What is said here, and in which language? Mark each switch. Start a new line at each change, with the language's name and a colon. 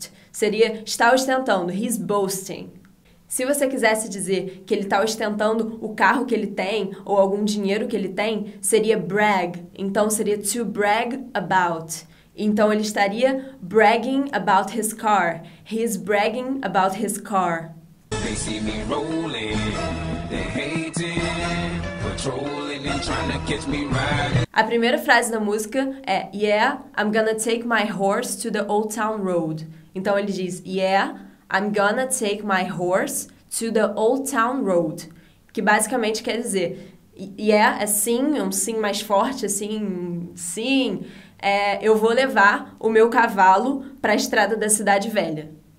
Portuguese: Seria estar ostentando,
English: he's boasting.
Portuguese: Se você quisesse dizer que ele está ostentando o carro que ele tem ou algum dinheiro que ele tem, seria brag. Então, seria to brag about. Então, ele estaria
English: bragging about his car. He's bragging about his car. They see me rolling, they're hating, patrolling and trying to catch me riding.
Portuguese: A primeira frase da música é
English: Yeah, I'm gonna take my horse to the old town road.
Portuguese: Então, ele diz
English: Yeah, I'm gonna take my horse to the Old Town Road.
Portuguese: Que basicamente quer dizer, yeah, é sim, é um sim mais forte, assim, sim, é, eu vou levar o meu cavalo para a estrada da cidade velha.